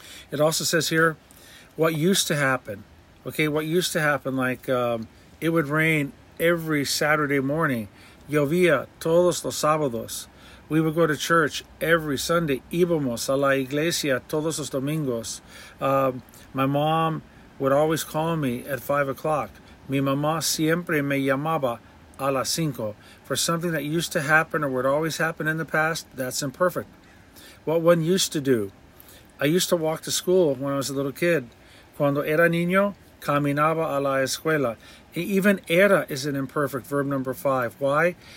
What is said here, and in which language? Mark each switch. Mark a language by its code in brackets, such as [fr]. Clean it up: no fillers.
[en] It also says here, what used to happen, okay, it would rain every Saturday morning. [es] Llovía todos los sábados. [en] We would go to church every Sunday. [es] Íbamos a la iglesia todos los domingos. [en] My mom would always call me at 5 o'clock. [es] Mi mamá siempre me llamaba a las cinco. [en] For something that used to happen or would always happen in the past, that's imperfect. What one used to do. I used to walk to school when I was a little kid. [es] Cuando era niño, caminaba a la escuela. [en] Even era is an imperfect verb number 5. Why?